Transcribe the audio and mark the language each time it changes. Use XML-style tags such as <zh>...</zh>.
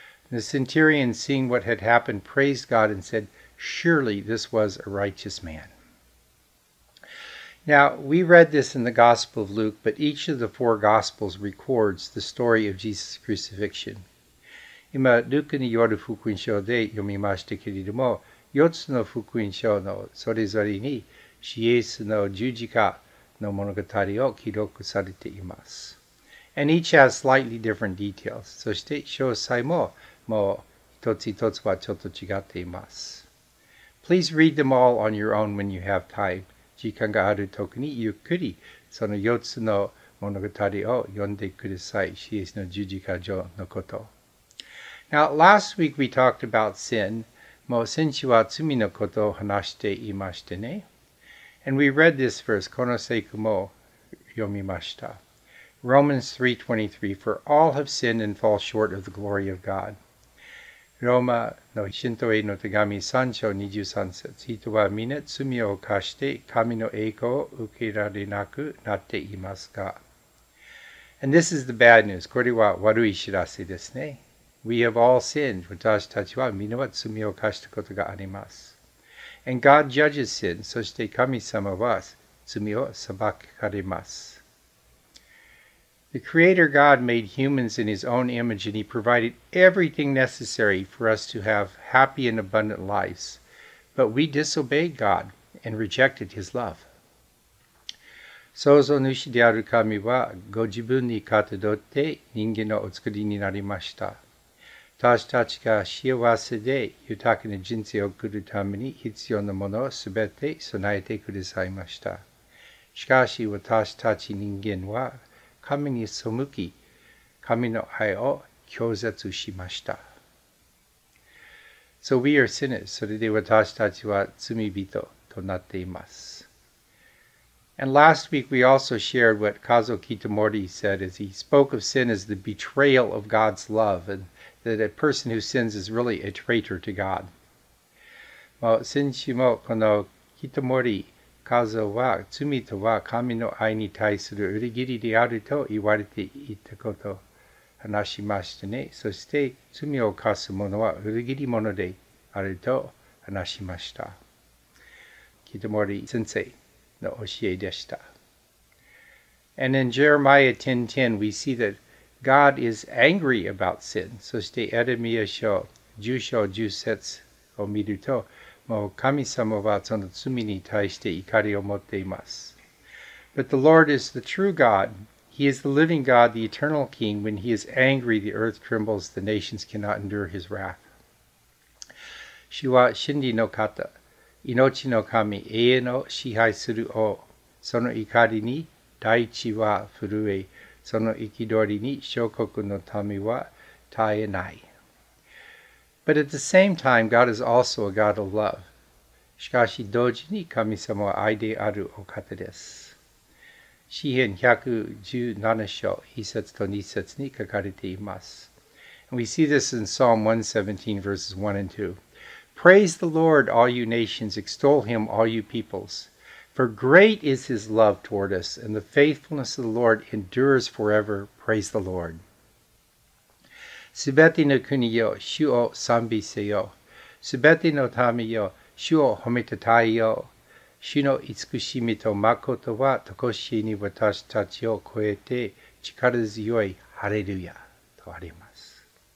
<en>The centurion, seeing what had happened, praised God and said, Surely this was a righteous man. Now, we read this in the Gospel of Luke, but each of the four Gospels records the story of Jesus' crucifixion.</en> <ja>今、ルクによる福音書で読みましたけれども、四つの福音書のそれぞれに、イエスの十字架の物語を記録されています。</ja> <en>And each has slightly different details.</en> <ja>そして詳細も、もう一つ一つはちょっと違っています。</ja> <en>Please read them all on your own when you have time.</en> <ja>時間があるときにゆっくりその四つの物語を読んでください。イエスの十字架上のこと。</ja> <en>Now, last week we talked about sin.</en> <ja>もう先週は罪のことを話していましたね。</ja> <en>And we read this verse.</en> <ja>この聖句も読みました。</ja> <en>Romans 3:23, For all have sinned and fall short of the glory of God.</en> <ja>ローマの信徒への手紙3章23節。人は皆罪を犯して神の栄光を受けられなくなっていますか。</ja> <en>And this is the bad news.</en> <ja>これは悪い知らせですね。</ja> <en>We have all sinned.</en> <ja>私たちは皆は罪を犯したことがあります。</ja> <en>And God judges sin.</en> <ja>そして神様は罪を裁かれます。</ja> <en>The Creator God made humans in His own image and He provided everything necessary for us to have happy and abundant lives. But we disobeyed God and rejected His love.</en> <ja>創造主である神はご自分にかたどって人間のお作りになりました。私たちが幸せで豊かな人生を送るために必要なものをすべて備えてくださいました。しかし私たち人間は神に背き、神の愛を拒絶しました。</ja> <en>So we are sinners.</en> <ja>それで私たちは罪人となっています。</ja> <en>And last week we also shared what Kazuo Kitamori said as he spoke of sin as the betrayal of God's love and that a person who sins is really a traitor to God.</en> <ja>もう先週もこの Kitamori、カズオは罪とは神の愛に対する裏切りであると言われていたこと話しましたね。そして罪を犯す者は裏切り者であると話しました。キトモリ先生の教えでした。</ja> <en>And in Jeremiah 10:10, we see that God is angry about sin.</en> <ja>そしてエレミア書10章10節を見るともう神様はその罪に対して怒りを持っています。</ja> <en>But the Lord is the true God. He is the living God, the eternal King. When He is angry, the earth trembles. The nations cannot endure His wrath.</en> <ja>主は真理の方、命の神、永遠の支配する王。その怒りに大地は震え、その憤りに諸国の民は耐えない。</ja> <en>But at the same time, God is also a God of love.</en> <ja>しかし同時に神様は愛であるお方です。詩篇117章1節と2節に書かれています。</ja> <en>And we see this in Psalm 117 verses 1 and 2. Praise the Lord, all you nations, extol him, all you peoples. For great is his love toward us, and the faithfulness of the Lord endures forever. Praise the Lord.</en> <ja>すべての国よ、主を賛美せよ。すべての民よ、主を褒めたたえよ。主の慈しみと誠は、とこしえに私たちを超えて、力強いハレルヤとあります。</ja>